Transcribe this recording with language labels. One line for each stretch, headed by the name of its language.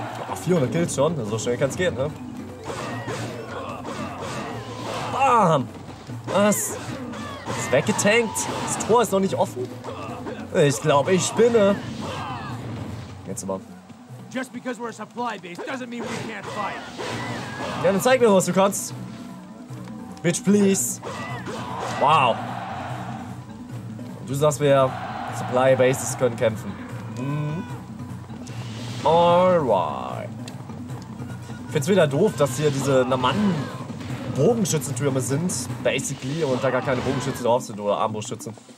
German: Oh, 400 Kills schon, so schnell kann es gehen, ne? Bam! Was? Ist weggetankt? Das Tor ist noch nicht offen? Ich glaube, ich spinne. Jetzt aber.
English: Just because we're a supply base doesn't mean we can't fight.
German: Ja, dann zeig mir, was du kannst.
English: Bitch, please.
German: Wow. Du sagst, wir Supply Bases können kämpfen. Mm. Alright. Ich find's wieder doof, dass hier diese Naman-Bogenschützentürme sind, basically, und da gar keine Bogenschützen drauf sind oder Armbrustschützen.